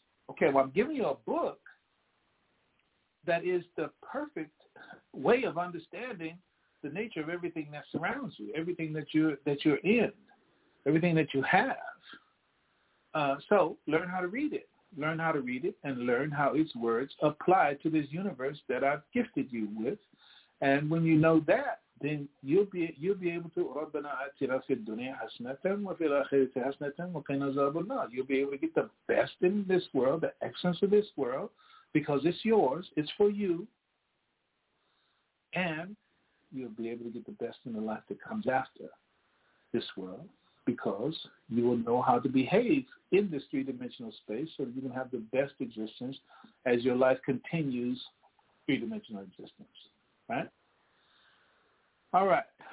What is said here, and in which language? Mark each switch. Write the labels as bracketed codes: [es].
[en] Okay, well, I'm giving you a book that is the perfect way of understanding the nature of everything that surrounds you, everything that you're in, everything that you have. So learn how to read it. Learn how to read it and learn how its words apply to this universe that I've gifted you with. And when you know that, then you'll be able to, [ar] رَبَّنَا أَتِنَا فِي الدُّنْيَا حَسْنَةً وَفِي الْآخِرَةِ حَسْنَةً وَقِنَا عَذَابَ النَّارِ. [en] You'll be able to get the best in this world, the excellence of this world, because it's yours, it's for you. And you'll be able to get the best in the life that comes after this world, because you will know how to behave in this three-dimensional space so that you can have the best existence as your life continues three-dimensional existence, right? All right.